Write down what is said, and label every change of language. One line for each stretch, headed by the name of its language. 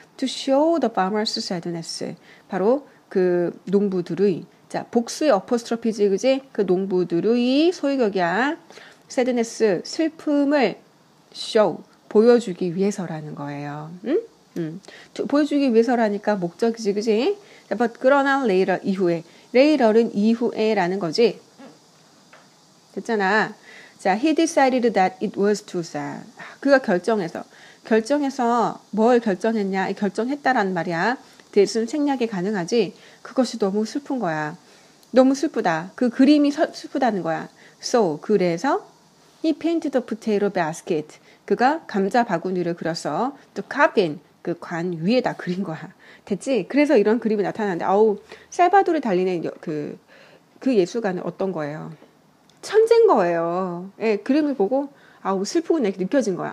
English: To show the farmer's sadness.
Korean: 바로 그 농부들의 자 복수의 apostrophe지 그지? 그 농부들의 소유격이야. sadness 슬픔을 show 보여주기 위해서라는 거예요. 응? 응. 보여주기 위해서라니까 목적이지 그지? But 그러나 later 이후에 later은 이후에라는 거지. 됐잖아.
English: 자, he decided that it was too sad.
Korean: 그가 결정해서 뭘 결정했냐? 결정했다라는 말이야. 대신 생략이 가능하지. 그것이 너무 슬픈 거야. 너무 슬프다. 그 그림이 슬프다는 거야.
English: So
Korean: 그래서
English: he painted a potato basket.
Korean: 그가 감자 바구니를 그렸어.
English: The coffin
Korean: 그 관 위에다 그린 거야. 됐지? 그래서 이런 그림이 나타났는데, 아우 살바도르 달리는 그 예술가는 어떤 거예요? 천재인 거예요. 예, 그림을 보고 아우 슬프구나 이렇게 느껴진 거야.